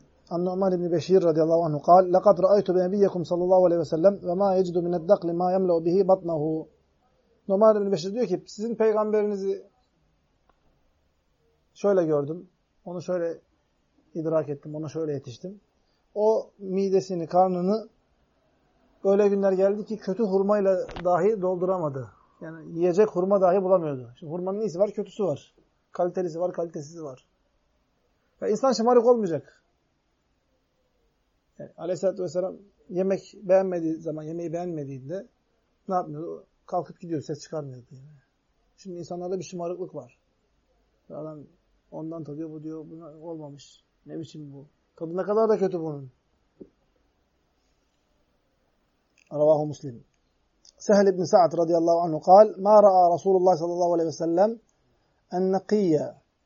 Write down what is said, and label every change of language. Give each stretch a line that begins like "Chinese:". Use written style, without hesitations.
Arabic: An Umar ibn Beşir radıyallahu anhu قال لقد رأيت نبيكم صلى الله عليه وسلم وما يجد من الدقل ما يملأ به بطنه.
Turkish: Umar ibn Beşir diyor ki sizin peygamberinizi şöyle gördüm. Onu şöyle idrak ettim. Ona şöyle yetiştim. O midesini, karnını öyle günler geldi ki kötü hurmayla dahi dolduramadı. Yani yiyecek hurma dahi bulamıyordu. Şimdi hurmanın iyisi var, kötüsü var. Kalitelisi var, kalitesizi var. Ya insan şımarık olmayacak. Yani aleyhissalatü vesselam yemek beğenmediği zaman, yemeği beğenmediğinde ne yapmıyor? Kalkıp gidiyor, ses çıkarmıyor. Yani. Şimdi insanlarda bir şımarıklık var. Adam ondan tadıyor, bu diyor, buna olmamış. Ne biçim bu? Tadı ne kadar da kötü bunun.
Arabic: Ravahu Muslim. Sehel ibn Sa'd radıyallahu anhu قال ما رأى رسول الله صلى الله عليه وسلم النقية.